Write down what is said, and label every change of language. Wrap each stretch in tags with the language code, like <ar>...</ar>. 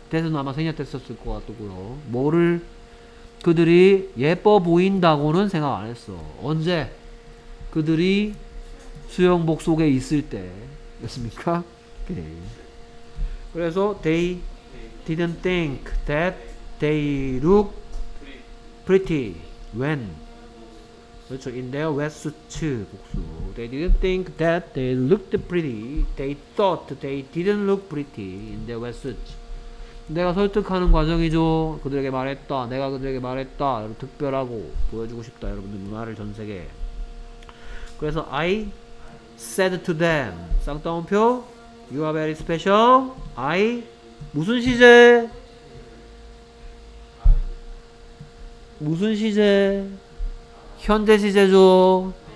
<ko>Dad은 아마 생략 됐었을 것 같고요. 뭐를 그들이 예뻐 보인다고는 생각 안 했어. 언제? 그들이 수영복 속에 있을 때였습니까? 오케이. 그래서</ko> <en>they didn't think that they look pretty when</en> <ko>그렇죠.</ko> <en>In their wetsuit</en> <ko>복수.</ko> <en>They didn't think that they looked pretty. They thought they didn't look pretty in their wetsuit.</en> <ko>내가 설득하는 과정이죠. 그들에게 말했다. 내가 그들에게 말했다. 특별하고 보여주고 싶다. 여러분들 문화를 전 세계에.</ko> <en>그래서 I said to them,</en> <ko>쌍따옴표,</ko> <en>you are very special.</en> <ko>I 무슨 시제? 무슨 시제? 현재 시제죠.</ko>